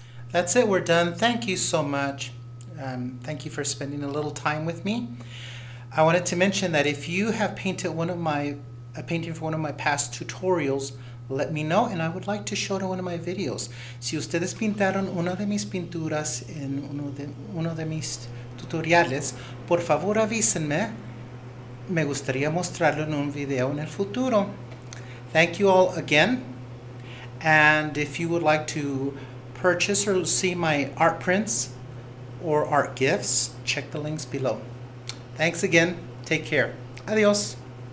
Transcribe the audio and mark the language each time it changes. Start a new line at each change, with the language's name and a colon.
English: That's it, we're done. Thank you so much. Thank you for spending a little time with me. I wanted to mention that if you have painted a painting for one of my past tutorials, let me know, and I would like to show it in one of my videos.
Spanish: Si ustedes pintaron una de mis pinturas en uno de mis tutoriales, por favor avísenme. Me gustaría mostrarlo en un video en el futuro.
English: Thank you all again. And if you would like to purchase or see my art prints or art gifts, check the links below. Thanks again. Take care. Adios.